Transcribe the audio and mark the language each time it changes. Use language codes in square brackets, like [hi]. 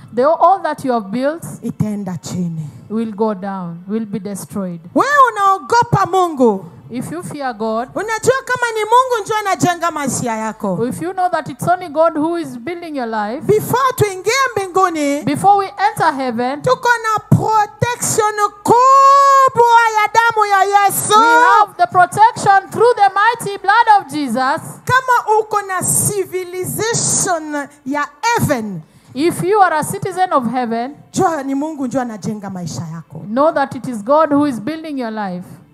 [en] all that you have built, [sw] itaenda chini, [en] will go down, will be destroyed. [sw] Wewe unaogopa Mungu? [en] If you fear God, [sw] unajua kama ni Mungu njo anajenga maisha yako. [en] If you know that it's only God who is building your life, [sw] before tuingie mbinguni, [en] before we enter heaven, [sw] tuko na protection kubwa ya damu ya Yesu. [en] We have the protection through the mighty blood of Jesus. [sw] Kama uko na civilization ya heaven, [en] if you are a citizen of heaven, [sw] jua ni Mungu njo anajenga maisha yako. [en] Know that it is God who is building your life.